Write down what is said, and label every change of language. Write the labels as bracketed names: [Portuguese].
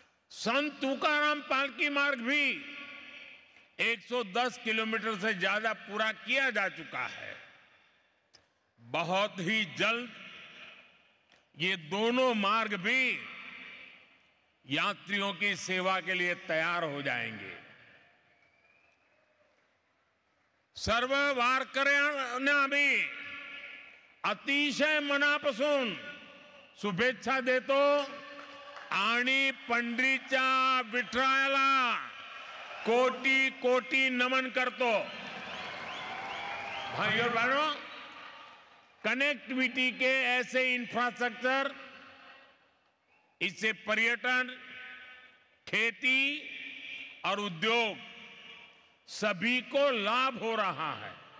[Hindi] संत तुकाराम पालखी मार्ग भी 110 किलोमीटर से ज्यादा पूरा किया जा चुका है। बहुत ही जल्द ये दोनों मार्ग भी यात्रियों की सेवा के लिए तैयार हो जाएंगे। [Marathi] सर्व वारकरणा भी अतिशय मनापसून शुभेच्छा देतो आणी पंढरीच्या विठ्ठलाला कोटी कोटी नमन करतो। [Hindi] भाई और बहनों, कनेक्टिविटी के ऐसे इंफ्रास्ट्रक्चर, इससे पर्यटन, खेती और उद्योग सभी को लाभ हो रहा है।